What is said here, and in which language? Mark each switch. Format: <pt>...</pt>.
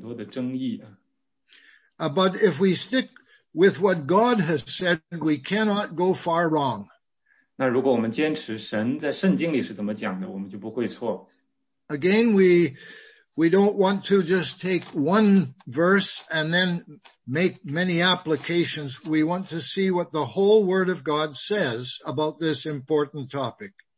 <zh>那关于这个话题啊，有很多的误解啊，也有很多的争议啊。</zh> <en>But if we stick with what God has said, we cannot go far wrong.</en> <zh>那如果我们坚持神在圣经里是怎么讲的，我们就不会错。</zh> <en>Again, We don't want to just take one verse and then make many applications. We want to see what the whole Word of God says about this important topic.</en>